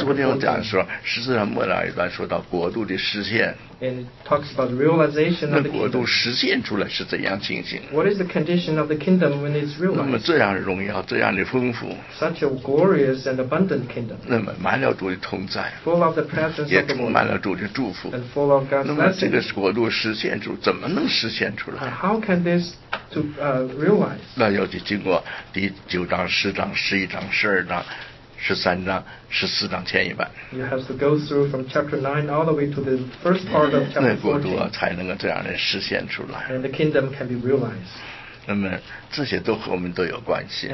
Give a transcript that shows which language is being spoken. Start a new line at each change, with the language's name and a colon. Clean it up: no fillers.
Chinese: 昨天我讲说十四章末了一段说到国度的实现。
English: And it talks about realization of the kingdom.
Chinese: 那国度实现出来是怎样情形？
English: What is the condition of the kingdom when it's realized?
Chinese: 那么这样荣耀，这样的丰富。
English: Such a glorious and abundant kingdom.
Chinese: 那么满了主的同在。
English: Full of the presence of the Lord.
Chinese: 也充满了主的祝福。
English: And full of God's blessing.
Chinese: 那么这个国度实现出，怎么能实现出来？
English: How can this to realize?
Chinese: 那要去经过第九章、十章、十一章、十二章。十三章、十四章前一半。
English: You have to go through from chapter 9 all the way to the first part of chapter 14.
Chinese: 那国度才能够这样的实现出来。
English: And the kingdom can be realized.
Chinese: 那么这些都和我们都有关系。